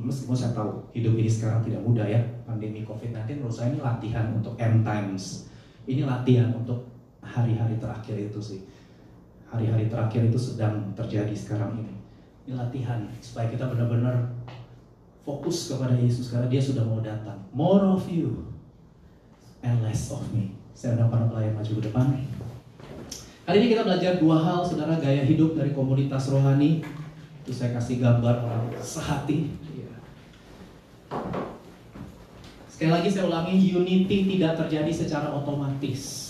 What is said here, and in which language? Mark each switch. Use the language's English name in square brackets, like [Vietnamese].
[Indonesian] Meskipun saya tahu, hidup ini sekarang tidak mudah ya. Pandemi COVID-19, menurut saya ini latihan untuk end times. Ini latihan untuk hari-hari terakhir itu sih. Hari-hari terakhir itu sedang terjadi sekarang ini. Ini latihan, supaya kita benar-benar fokus kepada Yesus, karena dia sudah mau datang. [English] More of you and less of me. [Indonesian] Saya undang para pelayan maju ke depan. Kali ini kita belajar dua hal, saudara, gaya hidup dari komunitas rohani. Itu saya kasih gambar orang sehati. Sekali lagi saya ulangi, unity tidak terjadi secara otomatis.